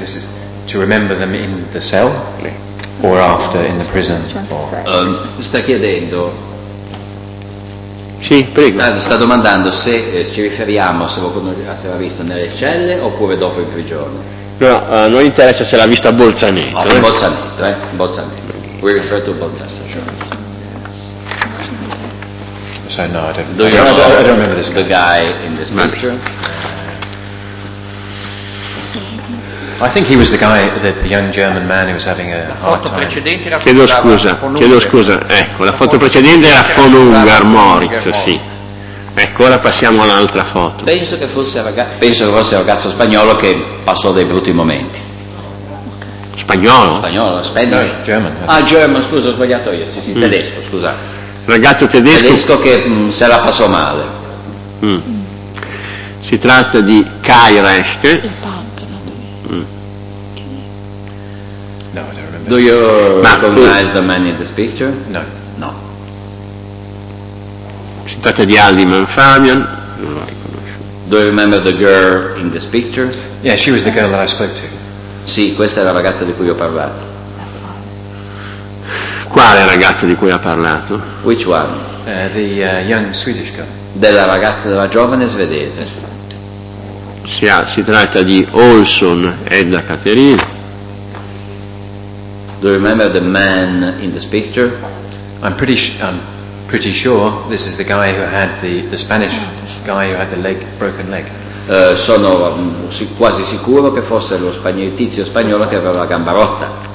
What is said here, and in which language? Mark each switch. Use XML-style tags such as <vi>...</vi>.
<en>This is to remember them in the cell or after in the prison?</en> <it>Sta chiedendo Sì, prego. Ah, sta domandando se ci riferiamo se l'ha visto nelle celle oppure dopo il prigione. No, non interessa se l'ha visto a Bolzaneto.</it> <en>A Bolzaneto, Bolzaneto. We refer to Bolzaneto. So no, I don't. Do you know, I don't remember this guy. The guy in this picture. I think he was the guy, the young German man who was having a hard time.</en> <it>Chiedo scusa. Ecco, la foto precedente era von Ungar Moritz, sì. Ecco, ora passiamo all'altra foto. Penso che fosse un ragazzo spagnolo che passò dei brutti momenti. Spagnolo?</it> <en>No, German.</en> <it>Ho sbagliato io. Sì, tedesco, scusa. Ragazzo tedesco. Tedesco che se la passò male. Si tratta di Kai Reschke.</it> <en>No, I don't remember. Do you recognize the man in this picture? No.</en> <it>Si tratta di Aldi Manfamian. Non lo</it> <en>riconosco. Do you remember the girl in this picture? Yeah, she was the girl that I spoke to.</en> <it>Sì, questa è la ragazza di cui ho parlato. Quale ragazza di cui ha parlato?</it> <en>Which one? The young Swedish girl.</en> <it>Della ragazza, della giovane svedese. Si tratta di Olson Edda Caterina.</it> <en>Do you remember the man in this picture? I'm pretty sure this is the guy who had the Spanish guy who had the leg broken leg.</en> <it>Sono quasi sicuro che fosse il tizio spagnolo che aveva la gamba rotta.</it>